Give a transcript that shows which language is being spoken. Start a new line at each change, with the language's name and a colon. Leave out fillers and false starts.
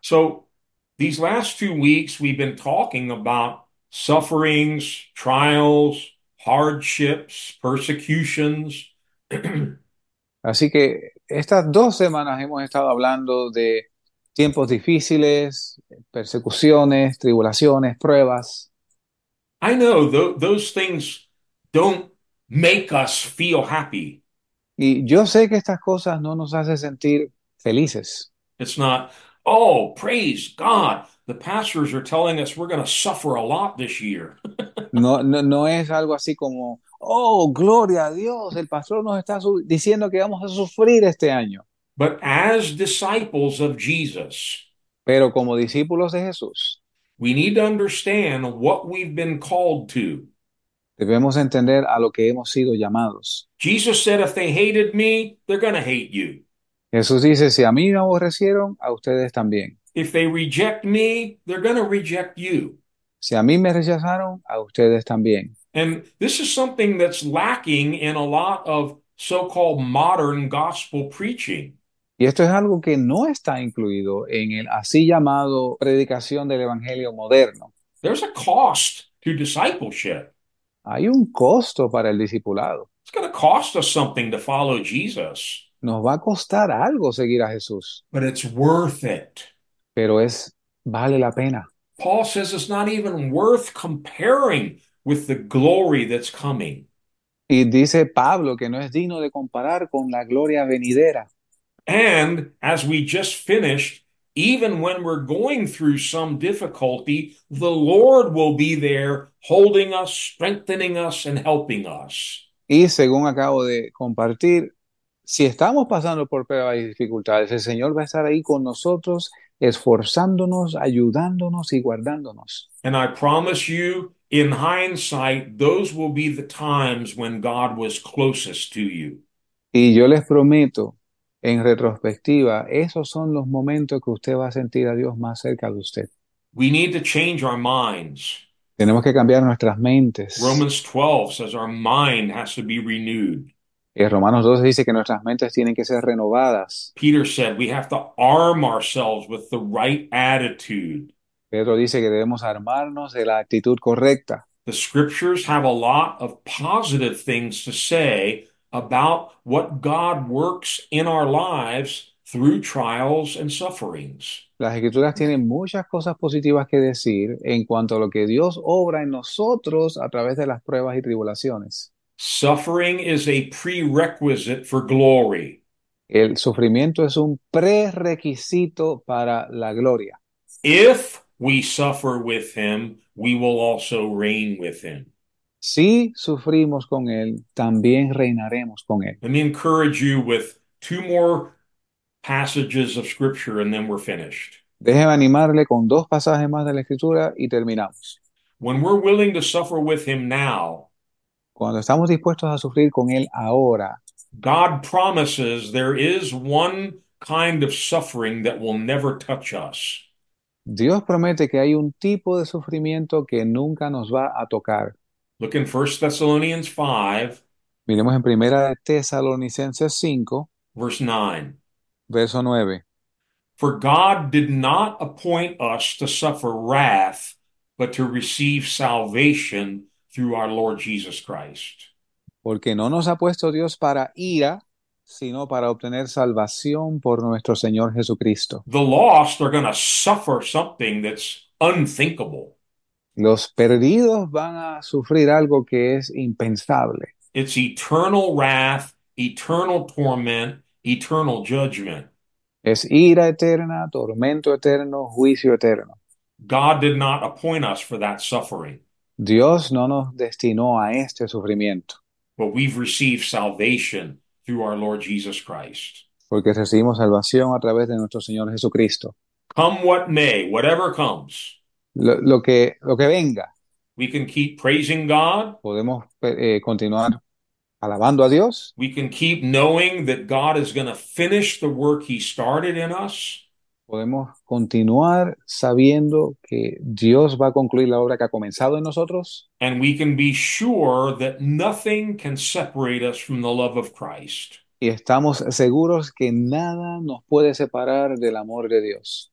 English: So, these last 2 weeks, we've been talking about sufferings, trials, hardships, persecutions.
Spanish: Así que estas 2 semanas hemos estado hablando de tiempos difíciles, persecuciones, tribulaciones, pruebas.
English: I know those things don't make us feel happy.
Spanish: Y yo sé que estas cosas no nos hacen sentir felices.
English: It's not. Oh, praise God. The pastors are telling us we're going to suffer a lot this year.
Spanish: No, no, no es algo así como, oh, gloria a Dios, el pastor nos está diciendo que vamos a sufrir este año.
English: But as disciples of Jesus,
Spanish: Pero como discípulos de Jesús,
English: we need to understand what we've been called to.
Spanish: debemos entender a lo que hemos sido llamados.
English: Jesus said, if they hated me, they're going to hate you.
Spanish: Jesús dice, si a mí me aborrecieron, a ustedes también.
English: If they reject me, they're going to reject you.
Spanish: Si a mí me rechazaron, a ustedes también.
English: And this is something that's lacking in a lot of so-called modern gospel preaching.
Spanish: Y esto es algo que no está incluido en el así llamado predicación del Evangelio moderno.
English: There's a cost to discipleship.
Spanish: Hay un costo para el discipulado.
English: It's going to cost us something to follow Jesus,
Spanish: Nos va a costar algo seguir a Jesús,
English: but it's worth it.
Spanish: pero es vale la pena.
English: Paul says it's not even worth comparing with the glory that's coming.
Spanish: Y dice Pablo que no es digno de comparar con la gloria venidera.
English: And as we just finished, even when we're going through some difficulty, the Lord will be there holding us, strengthening us, and helping us.
Spanish: Y según acabo de compartir, si estamos pasando por pruebas y dificultades, el Señor va a estar ahí con nosotros, esforzándonos, ayudándonos y guardándonos.
English: And I promise you, in hindsight, those will be the times when God was closest to you.
Spanish: Y yo les prometo, en retrospectiva, esos son los momentos que usted va a sentir a Dios más cerca de usted.
English: We need to change our minds.
Spanish: Tenemos que cambiar nuestras mentes.
English: Romans 12 says our mind has to be renewed.
Spanish: En Romanos 12 dice que nuestras mentes tienen que ser renovadas.
English: Peter said we have to arm ourselves with the right attitude.
Spanish: Pedro dice que debemos armarnos de la actitud correcta.
English: The scriptures have a lot of positive things to say about what God works in our lives through trials and sufferings.
Spanish: Las escrituras tienen muchas cosas positivas que decir en cuanto a lo que Dios obra en nosotros a través de las pruebas y tribulaciones.
English: Suffering is a prerequisite for glory.
Spanish: El sufrimiento es un prerrequisito para la gloria.
English: If we suffer with him, we will also reign with him.
Spanish: Si sufrimos con él, también reinaremos con él.
English: Let me encourage you with two more passages of scripture and then we're finished.
Spanish: Déjeme animarle con dos pasajes más de la escritura y terminamos.
English: When we're willing to suffer with him now,
Spanish: Cuando estamos dispuestos a sufrir con él ahora,
English: God promises there is one kind of suffering that will never touch us.
Spanish: Dios promete que hay un tipo de sufrimiento que nunca nos va a tocar.
English: Look in 1 Thessalonians 5,
Spanish: Miremos en Primera de Tesalonicenses 5,
English: verse 9.
Spanish: verso 9.
English: For God did not appoint us to suffer wrath, but to receive salvation through our Lord Jesus Christ.
Spanish: Porque no nos ha puesto Dios para ira, sino para obtener salvación por nuestro Señor Jesucristo.
English: The lost are going to suffer something that's unthinkable.
Spanish: Los perdidos van a sufrir algo que es impensable.
English: It's eternal wrath, eternal torment, eternal judgment.
Spanish: Es ira eterna, tormento eterno, juicio eterno.
English: God did not appoint us for that suffering.
Spanish: Dios no nos destinó a este sufrimiento.
English: But we've received salvation through our Lord Jesus Christ.
Spanish: Porque recibimos salvación a través de nuestro Señor Jesucristo.
English: Come what may, whatever comes,
Spanish: Lo que venga,
English: we can keep praising God.
Spanish: podemos continuar alabando a Dios.
English: We can keep knowing that God is going to finish the work he started in us.
Spanish: Podemos continuar sabiendo que Dios va a concluir la obra que ha comenzado en nosotros.
English: And we can be sure that nothing can separate us from the love of Christ.
Spanish: Y estamos seguros que nada nos puede separar del amor de Dios.